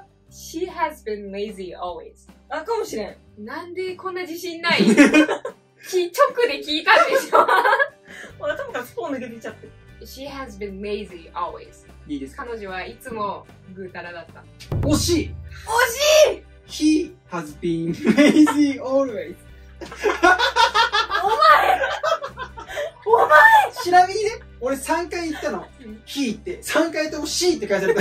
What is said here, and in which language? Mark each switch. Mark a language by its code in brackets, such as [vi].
[en] She has been lazy always。 [ja] あ、かもしれん。なんでこんな自信ない。直で聞いたでしょ。頭からスポーン抜けてきちゃって。 [en] She has been lazy always。 [ja] いいです。彼女はいつもぐーたらだった。惜しい惜しい。 [en] He has been lazy always。 [ja] お前お前。ちなみにね、俺3回言ったの。He って3回とも She って書いてあった。